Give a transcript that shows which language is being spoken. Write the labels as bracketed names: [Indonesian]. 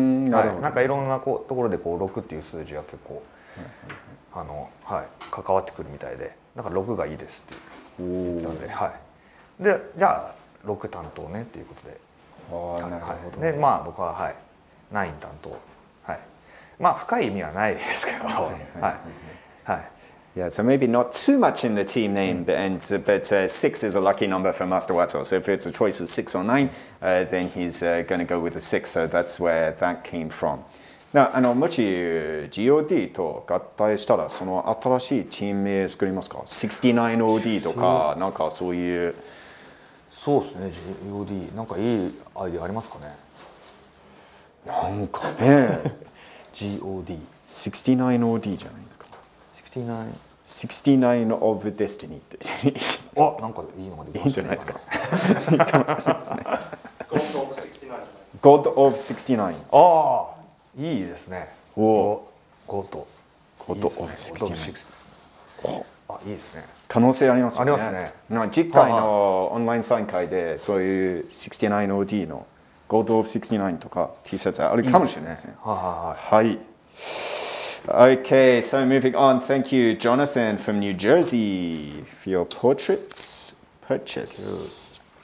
[Japanese] はい、なんかいろんなこうところでこう6っていう数字が結構、あの、はい、関わってくるみたいで、なんか6がいいですって言ったんで、はい、で、じゃあ6担当ねっていうことで、なるほど、ね、で、まあ僕は、はい、9担当、はい、まあ深い意味はないですけど、はい、はい、 [English] Yeah, so maybe not too much in the team name, but six is a lucky number for Master Wato. So if it's a choice of 6 or 9, then he's going to go with a 6. So that's where that came from. Now, [Japanese] あのもし GOD と合体したらその新しいチーム名作りますか？69OD とかなんかそういう。そうですね、GOD なんかいいアイデアありますかね？なんかね、 GOD 69OD じゃない。69 of Destiny あ、なんかいいのが出てきましたね。いいじゃないですか。 God of 69 God of 69。ああ、いいですね。おお、ゴート。ゴート。いいですね。ゴート6。あ、いいですね。可能性ありますね。ありますね。まあ、次回のオンラインサイン会でそういう 69OD のゴート of 69とか T シャツあるかもしれないですね。はい。 [English] Okay, so moving on. Thank you, Jonathan from New Jersey, for your portrait purchase.